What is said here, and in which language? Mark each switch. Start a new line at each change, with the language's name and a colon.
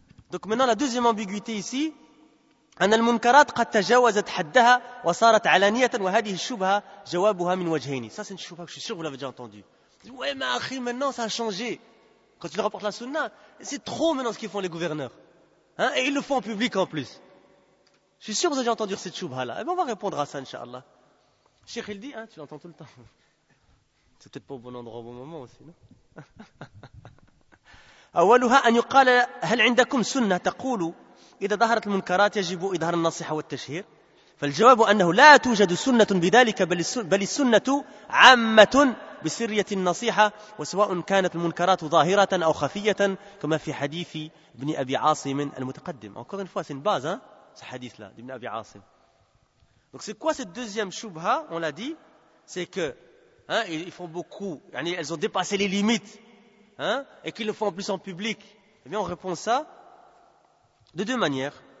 French: Donc maintenant la deuxième ambiguïté ici,
Arabic: أن المنكرات قد تجاوزت حدها وصارت علانية وهذه الشبهة جوابها من وجهين.
French: Ça c'est une chouba, je suis sûr que vous l'avez déjà entendu. Ouais mais akhi, maintenant ça a changé. Quand tu leur apportes la sunna, c'est trop maintenant ce qu'ils font les gouverneurs. Hein? Et ils le font en public en plus. Je suis sûr que vous avez déjà entendu cette chouba là. Et bien on va répondre à ça inshallah. Cheikh il dit, hein, tu l'entends tout le temps. C'est peut-être pas au bon endroit au bon moment aussi, non?
Arabic: أولها أن يقال هل عندكم سنة تقول إذا ظهرت المنكرات يجب إظهار النصيحة والتشهير فالجواب أنه لا توجد سنة بذلك بل السنة عامة بسرية النصيحة وسواء كانت المنكرات ظاهرة أو خفية كما في حديث ابن أبي عاصم المتقدم
French: encore une fois c'est une base hein, ce hadith là d'Ibn Abi Asim. Donc c'est quoi cette deuxième choubha? On l'a dit, c'est que hein, ils font beaucoup, yani elles ont dépassé les limites. Hein? Et qu'ils le font en plus en public. Eh bien, on répond ça de deux manières.